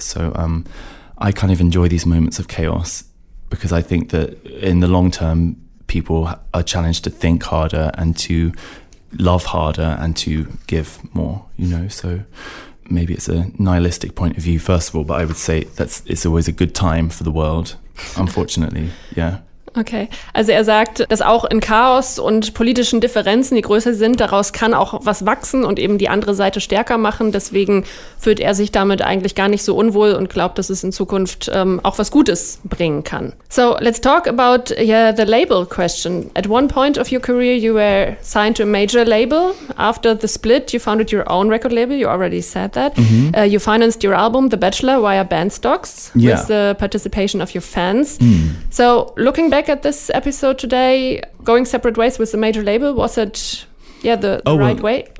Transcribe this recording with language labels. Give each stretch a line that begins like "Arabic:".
English: So I kind of enjoy these moments of chaos, because I think that in the long term, people are challenged to think harder and to love harder and to give more, you know. So maybe it's a nihilistic point of view, first of all, but I would say that's it's always a good time for the world, unfortunately. Yeah.
German: Okay, also er sagt, dass auch in Chaos und politischen Differenzen, die größer sind, daraus kann auch was wachsen und eben die andere Seite stärker machen. Deswegen fühlt er sich damit eigentlich gar nicht so unwohl und glaubt, dass es in Zukunft auch was Gutes bringen kann.
English: So, let's talk about the label question. At one point of your career, you were signed to a major label. After the split, you founded your own record label. You already said that. Mm-hmm. You financed your album, The Bachelor, via band stocks with the participation of your fans. Mm. So, looking back at this episode today, going separate ways with the major label, was it the right way?